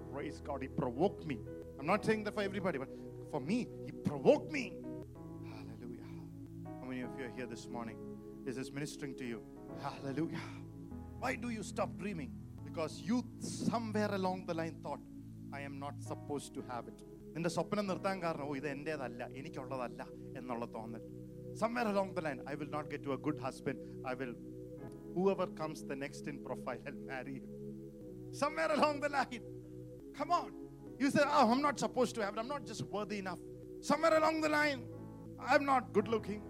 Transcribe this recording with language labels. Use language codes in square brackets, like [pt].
[en] Praise God, he provoked me. I'm not saying that for everybody, but for me, he provoked me. Hallelujah. How many of you are here this morning? This is ministering to you. Hallelujah. Why do you stop dreaming? Because you somewhere along the line thought, I am not supposed to have it. [ml] നിന്റെ സ്വപ്നം നിർത്താൻ കാരണം ഓ ഇത് എൻ്റെതല്ല എനിക്കുള്ളതല്ല എന്നുള്ള തോന്നൽ. [en] Somewhere along the line, I will not get to a good husband. I will, whoever comes the next in profile, I'll marry him. Somewhere along the line, come on. You say, oh, I'm not supposed to have it. I'm not just worthy enough. Somewhere along the line, I'm not good looking.